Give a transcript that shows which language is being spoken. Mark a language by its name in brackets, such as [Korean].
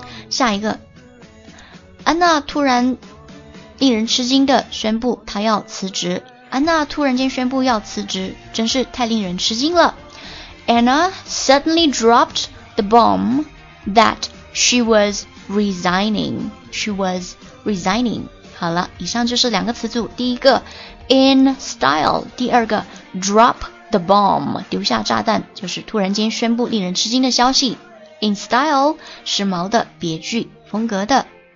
[Chinese] 下一个，安娜突然令人吃惊的宣布她要辞职。安娜突然间宣布要辞职，真是太令人吃惊了。 [English] Anna suddenly dropped the bomb that she was resigning. She was resigning. [Chinese] 好了，以上就是两个词组。第一个In style, 第二个 drop the bomb, 丢下炸弹，就是突然间宣布令人吃惊的消息。 In style, 时髦的，别具风格的。